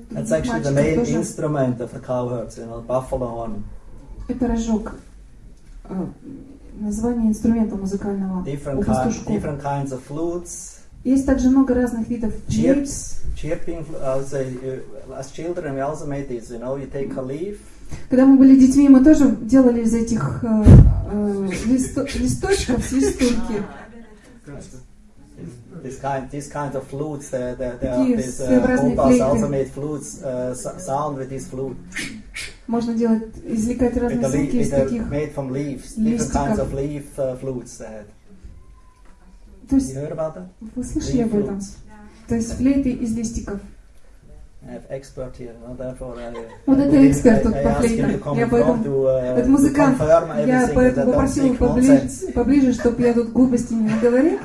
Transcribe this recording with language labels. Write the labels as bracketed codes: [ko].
[en] That's actually the main instrument of the cowherds, you know, buffalo horn. [ru] Это рожок. Название инструмента музыкального [en] different [ru] у пастушков. [en] Different kinds of flutes. [ru] Есть также много разных видов флейт. [en] Chirps, chirping, as children we also made this, you know, you take a leaf. [ru] Когда мы были детьми, мы тоже делали из этих листочков свистульки. [en] This kind of flutes, there are these also made flutes, sound with this flute. [ru] Можно делать, извлекать разные звуки из таких [en] made from leaves, different kinds of leaf flutes. [ru] То есть, вы слышали об этом? То есть, флейты из листиков. [en] Expert here, no, [ru] вот это эксперт тут по флейтам. Я поэтому, это музыкант, я поэтому попросил его поближе, чтобы я тут глупости не говорил.